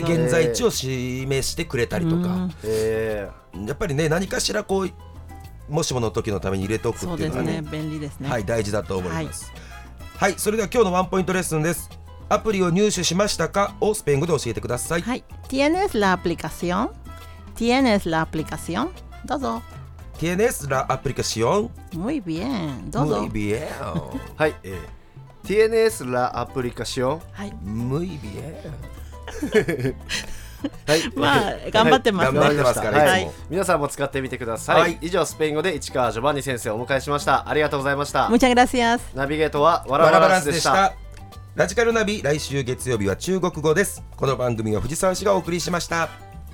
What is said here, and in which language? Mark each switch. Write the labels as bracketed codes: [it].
[ja] で現在地を示してくれたりとか。やっぱりね、何かしらこうもしもの時のために入れておくっていうのが、ね、そうですね、便利ですね。はい、大事だと思います。はい、はい、それでは今日のワンポイントレッスンです。アプリを入手しましたかをスペイン語で教えてください。 [es] はい、tienes la aplicación? Tienes la aplicación? [ja] どうぞ。 [es] Tienes la aplicación? Muy bien, [ja] どうぞ。 [es] Muy bien. はい、tienes la aplicación? [ja] はい。 [es] Muy bien. [ja] はい、まあ頑張ってます。頑張ってますから、はい、皆さんも使ってみてください。はい、以上スペイン語で市川ジョバンニ先生をお迎えしました。ありがとうございました。ムチャグラシアス。ナビゲートはワラバランスでした。ラジカルナビ、来週月曜日は中国語です。この番組は藤沢氏がお送りしました。